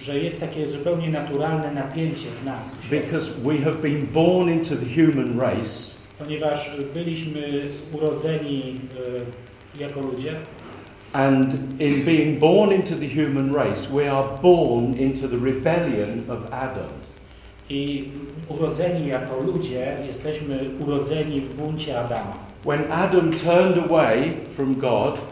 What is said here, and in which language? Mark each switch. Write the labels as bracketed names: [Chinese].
[Polish] że jest takie zupełnie naturalne napięcie w nas, [English] because we have been born into the human race, [Polish] ponieważ byliśmy urodzeni jako ludzie, [English] and in being born into the human race we are born into the rebellion of Adam, [Polish] i urodzeni jako ludzie jesteśmy urodzeni w buncie Adama. [English] When Adam turned away from God,